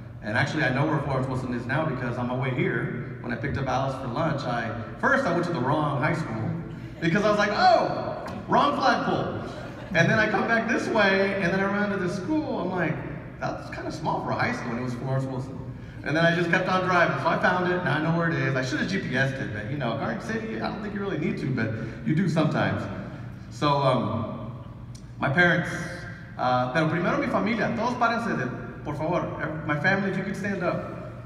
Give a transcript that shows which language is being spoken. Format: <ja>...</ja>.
<en>And actually, I know where Florence Wilson is now because on my way here, when I picked up Alice for lunch, I went to the wrong high school because I was like, oh, wrong flagpole. And then I come back this way, and then I ran to this school. I'm like, that's kind of small for a high school, and it was Florence Wilson. And then I just kept on driving. So I found it, now I know where it is. I should have GPSed it, but you know, Garden City, I don't think you really need to, but you do sometimes. So my parents,</en> <es>pero primero mi familia, todos párense de. Por favor,</es> <en>my family, if you could stand up.</en>